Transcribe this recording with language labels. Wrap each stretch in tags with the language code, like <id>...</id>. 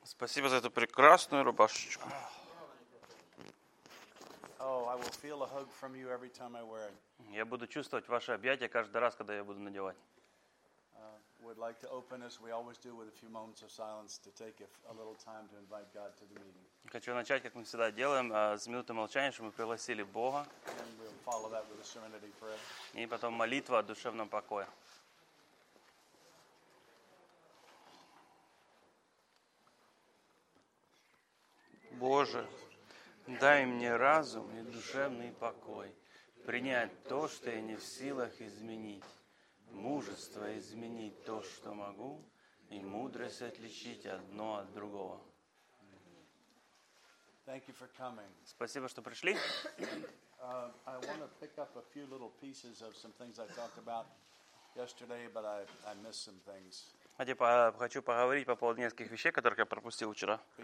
<ru>Спасибо за эту прекрасную рубашечку.</ru> <en>Oh, I will feel a hug from you every time I wear it.</en> <ru>Я буду чувствовать ваши объятия каждый раз, когда я буду надевать.</ru> <en>Would like to open as we always do with a few moments of silence to take a little time to invite God to the meeting.</en> <ru>Хочу начать, как мы всегда делаем, с минуты молчания, чтобы мы пригласили Бога.</ru> <en>And we'll follow that with a serenity prayer.</en> <ru>И потом молитва о душевном покое. Боже, дай мне разум и душевный покой, принять то, что я не в силах изменить, мужество изменить то, что могу, и мудрость отличить одно от другого.</ru> <en>Thank you for coming.</en> <ru>Спасибо, что пришли.</ru> <en>I want to pick up a few little pieces of some things I talked about yesterday, but I missed some things.</en> <ru>Хочу поговорить по поводу нескольких вещей, которых я пропустил вчера.</ru>